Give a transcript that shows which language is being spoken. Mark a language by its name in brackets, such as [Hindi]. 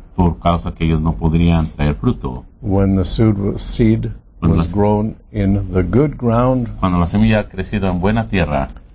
[Spanish] Por causa que ellos no podrían traer fruto. [English] When the seed was grown in the good ground, [Spanish] cuando la semilla ha crecido en buena tierra,